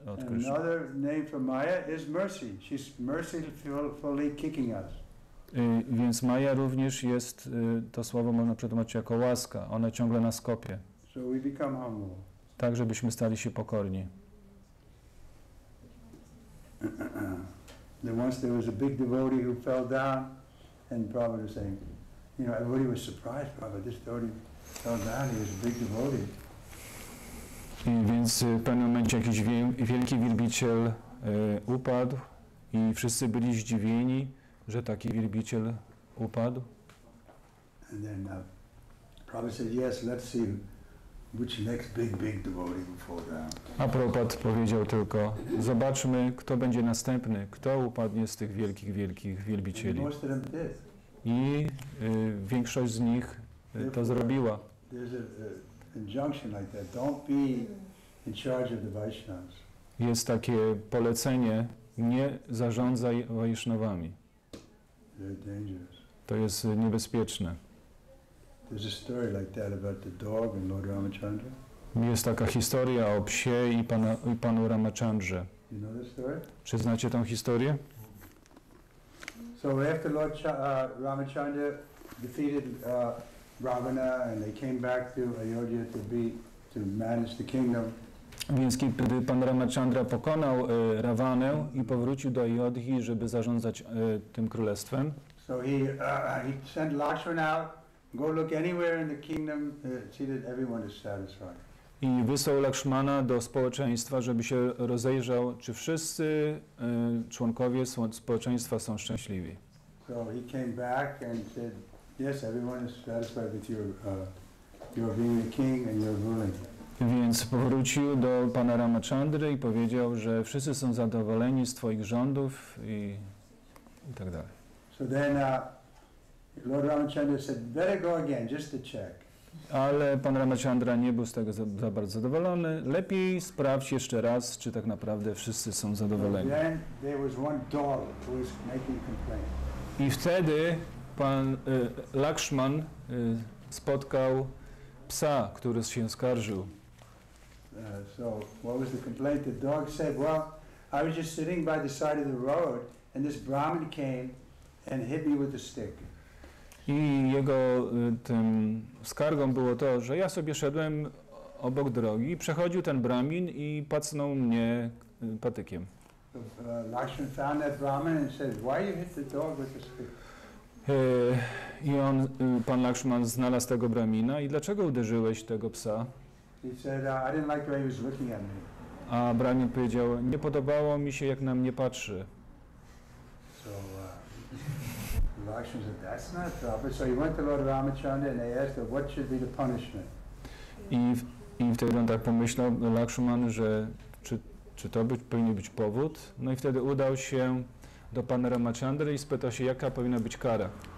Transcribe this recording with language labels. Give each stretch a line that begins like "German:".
English: Another name for Maya is mercy. She's mercifully kicking us.
Polish: Więc Maya również jest, to słowo można przetłumaczyć jako łaska. Ona ciągle nas kopie.
English: So we become humble.
Polish: Tak, żebyśmy stali się pokorni.
English: Then once there was a big devotee who fell down, and Prabhupada was saying, You know, everybody was surprised, Prabhupada just told him, tell that he was a big devotee.
Polish: I więc w pewnym momencie jakiś wielki wielbiciel upadł i wszyscy byli zdziwieni, że taki wielbiciel upadł.
English: And then Prabhupada said, yes, let's see which next big devotee will fall down.
Polish: A Prabhupada powiedział tylko, zobaczmy, kto będzie następny, kto upadnie z tych wielkich wielbicieli.
English: And most of them did.
Polish: I większość z nich to zrobiła.
English: Injunction like that. Don't be in charge of the Vaishnavas.
Polish: Jest takie polecenie, nie zarządzaj Vaishnavami.
English: Very dangerous.
Polish: To jest niebezpieczne.
English: There's a story like that about the dog and Lord Ramachandra.
Polish: Jest taka historia o psie i panu Ramachandrze.
English: You know the story?
Polish: Czy znacie tą historię?
English: So after Lord Ramachandra defeated Ravana and they came back to Ayodhya to manage the kingdom.
Polish: Więc kiedy pan Ramachandra pokonał Ravanę i powrócił do Ayodhi, żeby zarządzać tym królestwem.
English: So he sent Lakshmana out, go look anywhere in the kingdom, see that everyone is satisfied.
Polish: I wysłał Lakshmana do społeczeństwa, żeby się rozejrzał, czy wszyscy członkowie społeczeństwa są szczęśliwi.
English: So he came back and said, yes, everyone is satisfied with your being a king and your ruling.
Polish: Więc powrócił do pana Ramachandry i powiedział, że wszyscy są zadowoleni z twoich rządów i tak dalej.
English: So then Lord Ramachandra said, better go again, just to check.
Polish: Ale pan Ramachandra nie był z tego za bardzo zadowolony. Lepiej sprawdź jeszcze raz, czy tak naprawdę wszyscy są zadowoleni.
English: Then there was one doll who was making complaint.
Polish: I wtedy pan Lakshman spotkał psa, który się skarżył.
English: So what was the complaint? The dog said, well, I was just sitting by the side of the road and this Brahmin came and hit me with a stick.
Polish: I jego tym skargą było to, że ja sobie szedłem obok drogi, przechodził ten Brahmin i pacnął mnie patykiem.
English: Lakshman found that Brahmin and said, why you hit the dog with a stick?
Polish: I on, pan Lakshman, znalazł tego Brahmina i dlaczego uderzyłeś tego psa?
English: He said, I didn't like the way he was looking at me.
Polish: A Brahmin powiedział, nie podobało mi się, jak na mnie patrzy.
English: So, Lakshman said, that's not proper. So he went to Lord Ramachandra and they asked him, what should be the punishment?
Polish: I wtedy on tak pomyślał, Lakshman, że czy to powinien być powód? No i wtedy udał się do pana Ramachandry i spytał się, jaka powinna być kara.